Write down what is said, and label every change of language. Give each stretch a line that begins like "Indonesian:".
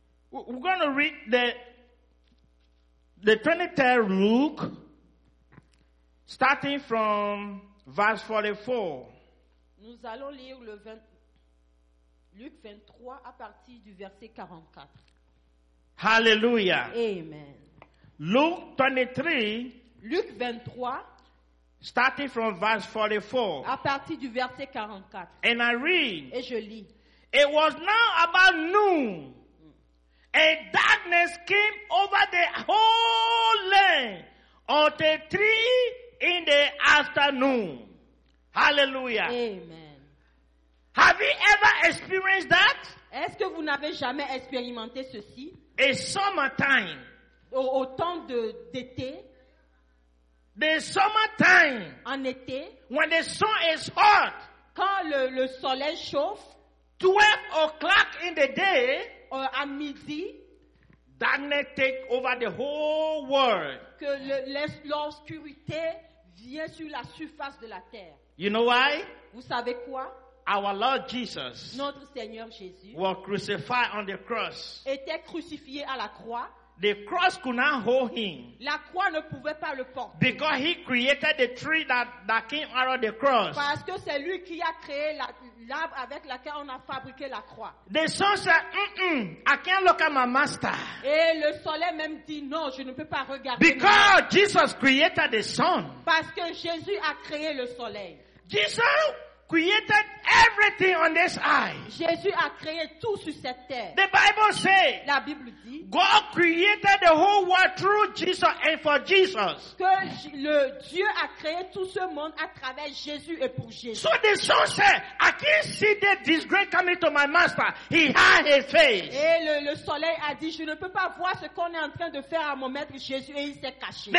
English: we're going to read the 23rd Luke, starting from verse 44.
French: Nous allons lire le Luc 23 à partir du verset 44. Hallelujah. Amen.
English: Luke 23.
French: Luc 23,
English: starting from verse 44,
French: à partir du verset 44,
English: and I read,
French: et je lis,
English: it was now about noon, and darkness came over the whole land until 3 in the afternoon. Hallelujah. Amen. Have you ever experienced that?
French: Est-ce que vous n'avez jamais expérimenté ceci?
English: In summertime,
French: au temps d'été.
English: The summertime,
French: en été,
English: when the sun is hot,
French: quand le soleil chauffe,
English: 12 o'clock in the day,
French: or à midi,
English: darkness take over the whole world.
French: Que l'obscurité vient sur la surface de la terre.
English: You know why?
French: Vous savez quoi?
English: Our Lord Jesus,
French: notre Seigneur Jésus,
English: was crucified on the cross.
French: Était crucifié à la croix.
English: The cross could not hold him.
French: La croix ne pouvait pas le porter.
English: Because he created the tree that came out of the cross.
French: Parce que c'est lui qui a créé l'arbre avec lequel on a fabriqué la croix.
English: The sun said, I can't look at my master.
French: Et le soleil même dit, non, je ne peux pas regarder.
English: Because Jesus created the sun.
French: Parce que Jésus a créé le soleil.
English: Jesus created everything on this earth.
French: Jésus a créé tout sur cette terre.
English: The Bible says,
French: la Bible dit,
English: God created the whole world through Jesus and for Jesus.
French: Que le Dieu a créé tout ce monde à travers Jésus et pour Jésus.
English: So the son said, I can't see the disgrace coming to my master. He hid his face.
French: Et le soleil a dit, je ne peux pas voir ce qu'on est en train de faire à mon maître Jésus et il s'est caché.